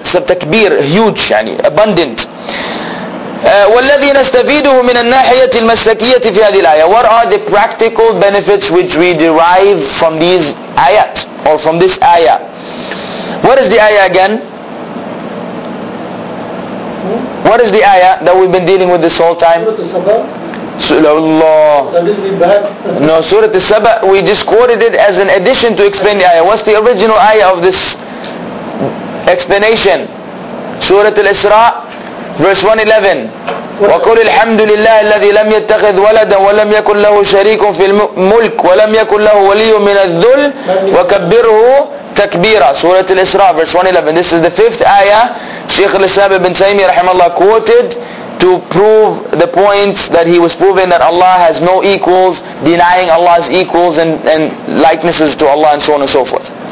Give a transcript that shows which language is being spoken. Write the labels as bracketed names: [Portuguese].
[English] It's a تكبير, huge, يعني abundant. [Arabic] والذي نستفيده من الناحية المسلكية في هذه الآية. [English] What are the practical benefits which we derive from these ayat or from this ayah? What is the ayah again? What is the ayah that we've been dealing with this whole time? Surah Allah. No, Surah Al-Saba, we just quoted it as an addition to explain the ayah. What's the original ayah of this explanation? Surah Al-Isra, verse 111. [Arabic] وقل الحمد لله الذي لم يتخذ ولدا ولم يكن له شريك في الملك ولم يكن له ولي من الذل وكبره تكبيرا. [English] Surah Al-Isra, verse 111. This is the fifth ayah Shaykh al-Islam ibn Taymiyyah rahimahullah quoted to prove the point that he was proving that Allah has no equals, denying Allah's equals and likenesses to Allah and so on and so forth.